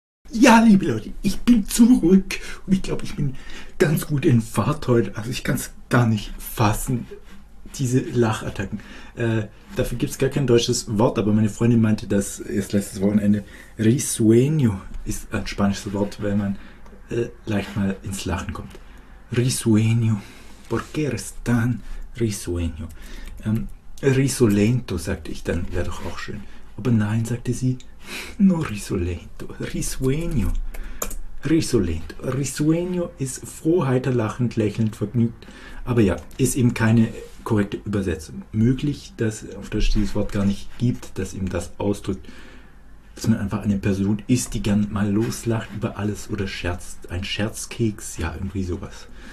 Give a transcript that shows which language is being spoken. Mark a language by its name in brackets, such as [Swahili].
[German] Ja, liebe Leute, ich bin zurück und ich glaube, ich bin ganz gut in Fahrt heute. Also ich kann es gar nicht fassen, diese Lachattacken. Dafür gibt es gar kein deutsches Wort, aber meine Freundin meinte, dass erst letztes Wochenende Risueño ist ein spanisches Wort, wenn man leicht mal ins Lachen kommt. [Spanish] Risueño, ¿por qué eres tan risueño? [German] Risolento, sagte ich dann, wäre doch auch schön. Aber nein, sagte sie. No risolento, risueño, risolento, risueño ist froh, heiter, lachend, lächelnd, vergnügt, aber ja, ist eben keine korrekte Übersetzung möglich, dass es auf Deutsch dieses Wort gar nicht gibt, das eben das ausdrückt, dass man einfach eine Person ist, die gern mal loslacht über alles oder scherzt, ein Scherzkeks, ja, irgendwie sowas.